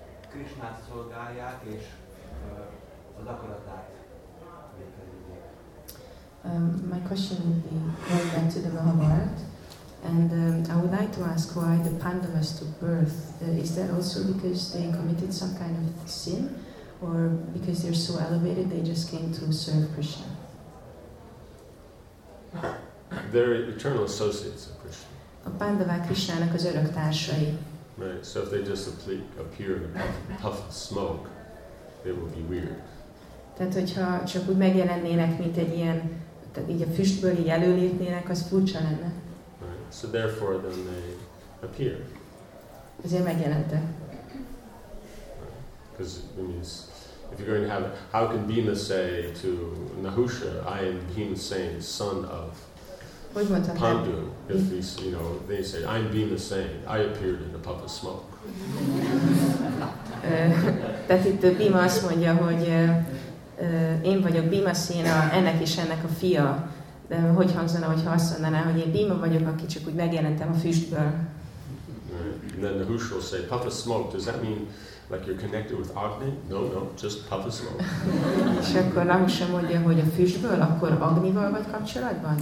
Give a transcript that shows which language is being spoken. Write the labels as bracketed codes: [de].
[hu] Krisnát szolgálják, és az akaratát [en] My question would be going back to the Mahabharata, and I would like to ask why the Pandavas took birth. Is that also because they committed some kind of sin, or because they're so elevated they just came to serve Krishna? They're eternal associates of Krishna. [hu] A Pandavák Krishnának az örök társai. [en] Right, so if they just appear in a puff of smoke, it would be weird. [hu] Tehát, hogyha csak úgy megjelennének, mint egy ilyen, tehát így a füstből így előlépnének, az furcsa lenne. [en] Right, so therefore then they appear. [hu] Azért megjelentek. [en] Because right. It means, if you're going to have, how can Bhima say to Nahusha, I am Bhima Sain, son of Pandu, if he's, you know, they say, I'm Bhima Sain, I appeared in a puff of smoke. [hu] Tehát itt Bhima azt mondja, hogy én vagyok Bhima Sain, ennek és ennek a fia, de hogy hangzana, hogyha azt mondaná, hogy én Bhima vagyok, aki csak úgy megjelentem a füstből. [en] And then Nahusha will say, puff of smoke, does that mean like you're connected with Agni? No, no, just puff of smoke. [hu] És akkor Nahusha mondja, hogy a füstből, akkor Agnival vagy kapcsolatban?